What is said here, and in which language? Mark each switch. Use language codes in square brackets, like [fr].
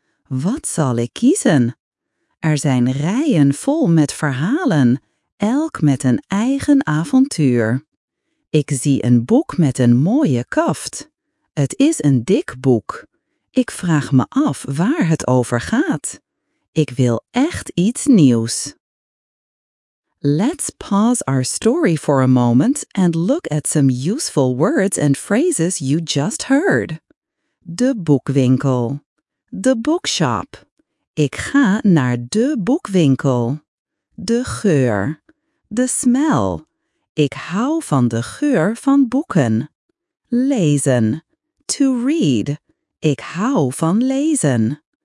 [nl] Wat zal ik kiezen? Er zijn rijen vol met verhalen, elk met een eigen avontuur. Ik zie een boek met een mooie kaft. Het is een dik boek. Ik vraag me af waar het over gaat. Ik wil echt iets nieuws. [en] Let's pause our story for a moment and look at some useful words and phrases you just heard. [nl] De boekwinkel. [en] The bookshop. [nl] Ik ga naar de boekwinkel. De geur. [en] The smell. [nl] Ik hou van de geur van boeken. Lezen. [en] To read. [nl] Ik hou van lezen.